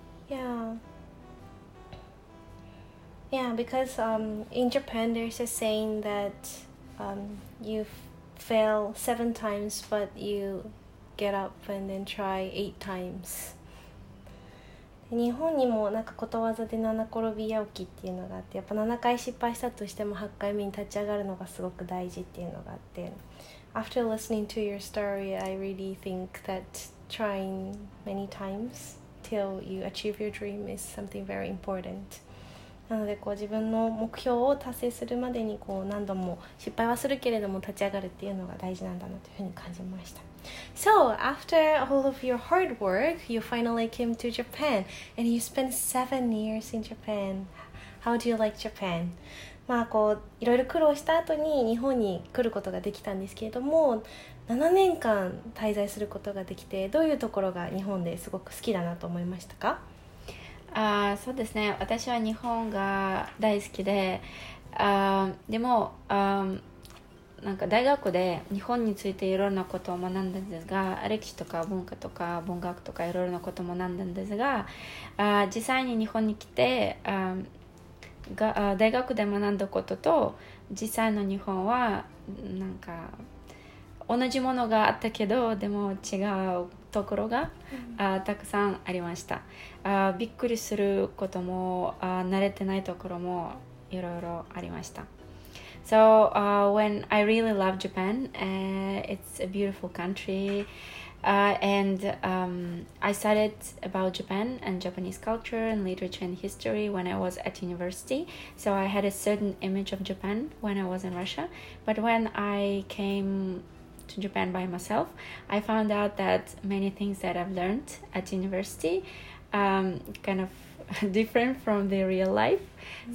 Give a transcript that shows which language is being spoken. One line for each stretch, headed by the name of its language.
English: Mm. Yeah, because in Japan, there's a saying that you fail 7 times, but you get up and then try 8 times.
Japanese: 日本にもなんかことわざで七転び八起きっていうのがあって、やっぱ7回失敗したとしても8回目に立ち上がるのがすごく大事っていうのがあって、
English: After listening to your story, I really think that trying many times till you achieve your dream is something very important.
Japanese: なのでこう自分の目標を達成するまでにこう何度も失敗はするけれども立ち上がるっていうのが大事なんだなというふうに感じました。
English: So after all of your hard work, you finally came to Japan and you spent 7 years in Japan. How do you like Japan?
Japanese: まあ、こういろいろ苦労した後に日本に来ることができたんですけれども、7年間滞在することができて、どういうところが日本ですごく好きだなと思いましたか？そうですね、私は日本が大好きで、でもなんか大学で日本についていろんなことを学んだんですが、歴史とか文化とか文学とかいろいろなことを学んだんですが、実際に日本に来て大学で学んだことと実際の日本はなんか同じものがあったけど、でも違うところが、うん、たくさんありました。びっくりすることも慣れてないところもいろいろありました。
English: So when I really love Japan, it's a beautiful country. I studied about Japan and Japanese culture and literature and history when I was at university. So I had a certain image of Japan when I was in Russia. But when I came to Japan by myself, I found out that many things that I've learned at university kind of different from the real life. Mm-hmm.